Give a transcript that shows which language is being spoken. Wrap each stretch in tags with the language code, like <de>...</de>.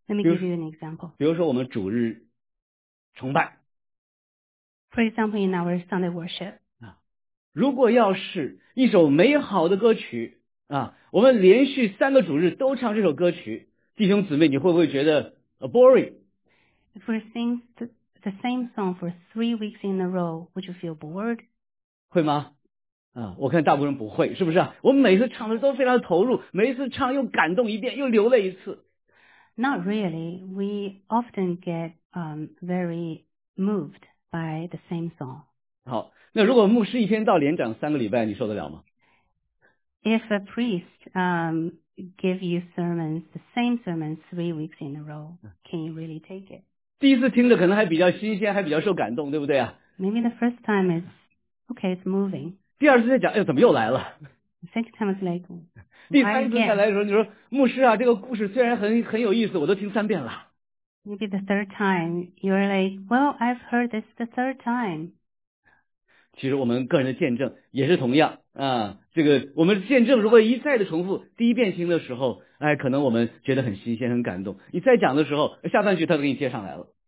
<en>Let me give you an example.</en> <zh>比如说我们主日崇拜。</zh> <en>For example, in our Sunday worship.</en> <zh>如果要是一首美好的歌曲我们连续三个主日都唱这首歌曲，弟兄姊妹你会不会觉得 boring?</zh> <en>If we sing the same song for 3 weeks in a row, would you feel bored?</en> <zh>会吗？我看大部分人不会，是不是？我们每次唱的都非常投入，每一次唱又感动一遍，又流泪一次。</zh> <en>Not really. We often get very moved by the same song.</en> <zh>好，那如果牧师一天到连长三个礼拜，你受得了吗？</zh> <en>If a priest give you sermons, the same sermon 3 weeks in a row, can you really take it?</en> <zh>第一次听着可能还比较新鲜，还比较受感动，对不对啊？</zh> <en>Maybe the first time is okay, it's moving.</en> <zh>第二次再讲，哎呦，怎么又来了？</zh> <en>Second time is like,</en> <zh>第三次再来的时候，你说牧师啊，这个故事虽然很有意思，我都听三遍了。</zh> <en>Maybe the third time you're like, well, I've heard this the third time.</en> <zh>其实我们个人的见证也是同样这个我们见证如果一再的重复，第一遍听的时候，哎，可能我们觉得很新鲜很感动，你再讲的时候下半句他都给你接上来了。</zh>